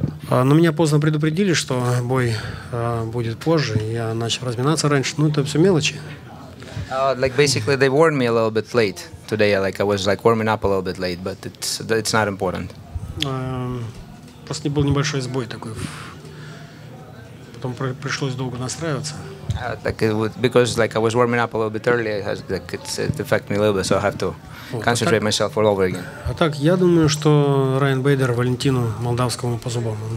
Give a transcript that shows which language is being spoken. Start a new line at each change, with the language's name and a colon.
Russian: Но меня поздно предупредили, что бой будет позже. Я начал разминаться раньше. Ну, это все мелочи.
English: Like basically they warned me a little bit late today. Like I was like warming up a little bit late, but it's not important.
Russian: Просто был небольшой сбой такой. Потом пришлось долго настраиваться.
English: Like it was, because like I was warming up a little bit early, like it affected me a little bit, so I have to concentrate myself all over again.
Russian: А так, я думаю, что Райан Бейдер Валентину Молдавскому по зубам.